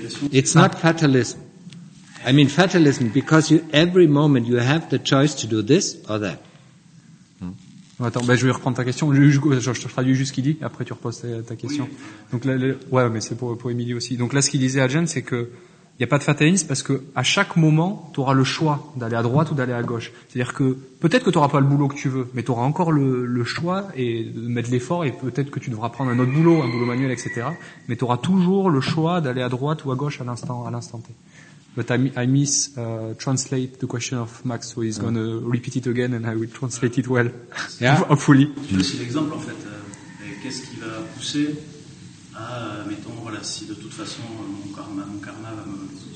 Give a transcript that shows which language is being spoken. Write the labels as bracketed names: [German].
[English] It's not fatalism. I mean fatalism because you, every moment you have the choice to do this or that. [French] Attends, je vais reprendre ta question. Je traduis juste ce qu'il dit, après tu reposes ta question. Oui. Donc là, mais c'est pour Emilie aussi. Donc là, ce qu'il disait à Jen, c'est que il n'y a pas de fatalisme parce que à chaque moment, tu auras le choix d'aller à droite ou d'aller à gauche. C'est-à-dire que peut-être que tu n'auras pas le boulot que tu veux, mais tu auras encore le choix et de mettre l'effort et peut-être que tu devras prendre un autre boulot, un boulot manuel, etc. Mais tu auras toujours le choix d'aller à droite ou à gauche à l'instant T. [English] But I miss translate the question of Max, so he's going to repeat it again and I will translate it well. Yeah. Hopefully. [French] C'est l'exemple, en fait. Qu'est-ce qui va pousser à, mettons, voilà, si de toute façon mon karma va me...